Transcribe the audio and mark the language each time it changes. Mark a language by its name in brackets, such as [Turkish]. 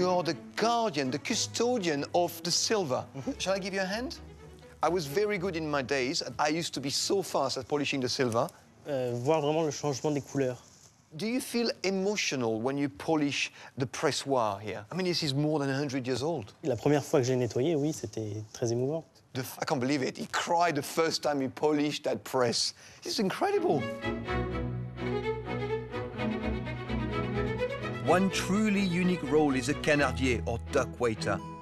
[English] You're the guardian, the custodian of the silver. Mm-hmm. Shall I give you a hand? I was very good in my days. I used to be so fast at polishing the silver. [French] Voir vraiment le changement des couleurs. [English] Do you feel emotional when you polish the pressoir here? I mean, this is more than 100 years old. [French] La première fois que j'ai nettoyé, oui, c'était très émouvant. [English] I can't believe it. He cried the first time he polished that press. It's incredible. One truly unique role is a canardier, or duck waiter.